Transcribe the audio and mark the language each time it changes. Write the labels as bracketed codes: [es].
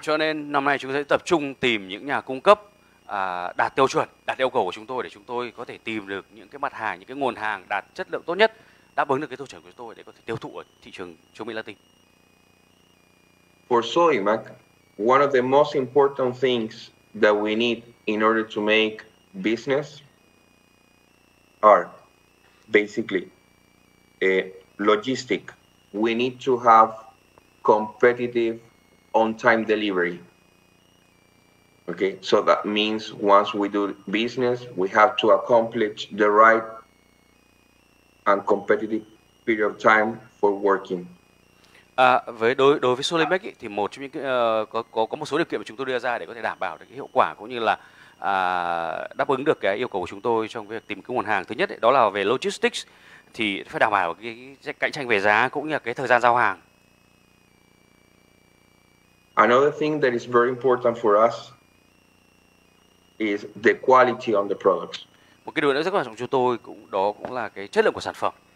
[vi] Cho nên năm nay chúng tôi sẽ tập trung tìm những nhà cung cấp đạt tiêu chuẩn, đạt yêu cầu của chúng tôi để chúng tôi có thể tìm được những cái mặt hàng, những cái nguồn hàng đạt chất lượng tốt nhất, đáp ứng được cái tiêu chuẩn của chúng tôi để có thể tiêu thụ ở thị trường châu Mỹ Latin. [en] For Sodimac, one of the most important things that we need in order to make business are basically a logistic. We need to have competitive on-time delivery. Okay, so that means once we do business, we have to accomplish the right and competitive period of time for working. [vi] Đối với Solimac thì một trong những có một số điều kiện mà chúng tôi đưa ra để có thể đảm bảo được cái hiệu quả cũng như là đáp ứng được cái yêu cầu của chúng tôi trong việc tìm cái nguồn hàng. Thứ nhất ấy, đó là về logistics thì phải đảm bảo cái cạnh tranh về giá cũng như là cái thời gian giao hàng. [en] Another thing that is very important for us is the quality on the products. [vi] Một cái điều nữa rất quan trọng của chúng tôi cũng là cái chất lượng của sản phẩm.